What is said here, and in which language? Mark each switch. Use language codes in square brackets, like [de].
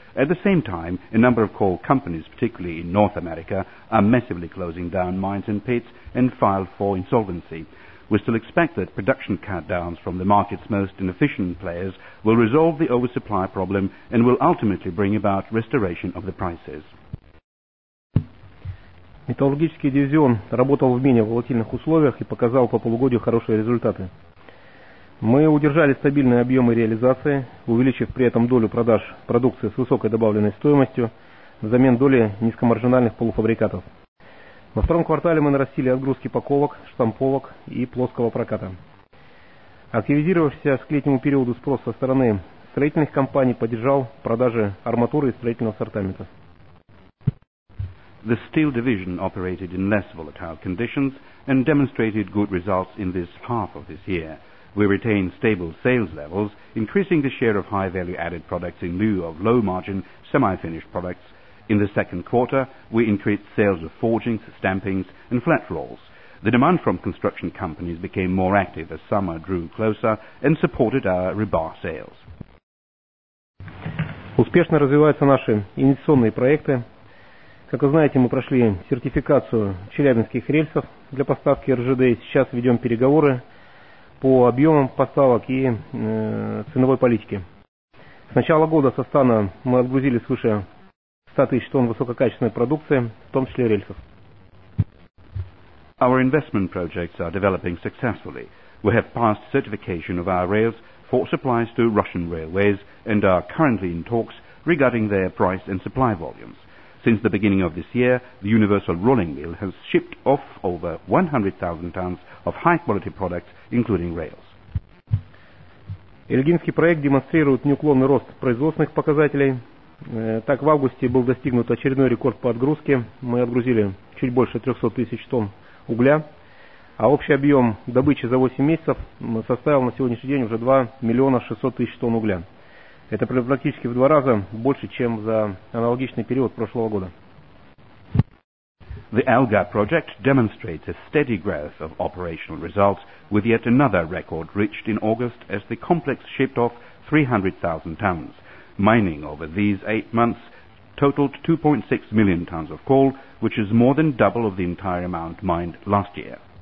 [en] At the same time, a number of coal companies, particularly in North America, are massively closing down mines and pits and filed for insolvency. We still expect that production cutdowns from the market's most inefficient players will resolve the oversupply problem and will ultimately bring about restoration of the prices. [ru] Металлургический дивизион работал в менее волатильных условиях и показал по полугодию хорошие результаты. Мы удержали стабильные объемы реализации, увеличив при этом долю продаж продукции с высокой добавленной стоимостью взамен доли низкомаржинальных полуфабрикатов. Во втором квартале мы нарастили отгрузки паковок, штамповок и плоского проката. Активизировавшийся к летнему периоду спрос со стороны строительных компаний поддержал продажи арматуры и строительного ассортамента. [en] The steel division operated in less volatile conditions and demonstrated good results in this half of this year. We retained stable sales levels, increasing the share of high value-added products in lieu of low-margin semi-finished products. In the second quarter, we increased sales of forgings, stampings, and flat rolls. The demand from construction companies became more active as summer drew closer and supported our rebar sales. [ru] Успешно развиваются наши инвестиционные проекты. Как вы знаете, мы прошли сертификацию челябинских рельсов для поставки РЖД. Сейчас ведем переговоры по объемам поставок и ценовой политике. С начала года со стана мы отгрузили свыше 100 тысяч тонн высококачественной продукции, в том числе рельсов. [en] Our investment projects are developing successfully. We have passed certification of our rails for supplies to Russian railways and are currently in talks regarding their price and supply volumes. Since the beginning of this year, the Universal Rolling Mill has shipped off over 100,000 tons of high-quality products, including rails. [ru] Ильгинский проект демонстрирует неуклонный рост производственных показателей. Так, в августе был достигнут очередной рекорд по отгрузке. Мы отгрузили чуть больше 300 тысяч тонн угля, а общий объем добычи за 8 месяцев составил на сегодняшний день уже 2 миллиона 600 тысяч тонн угля. Это практически в два раза больше, чем за аналогичный период прошлого года. [en] The Elgar project demonstrates a steady growth of operational results with yet another record reached in August as the complex shipped off 300,000 tons. Mining over these 8 months totaled 2.6 million tons of coal, which is more than double of the entire amount mined last year.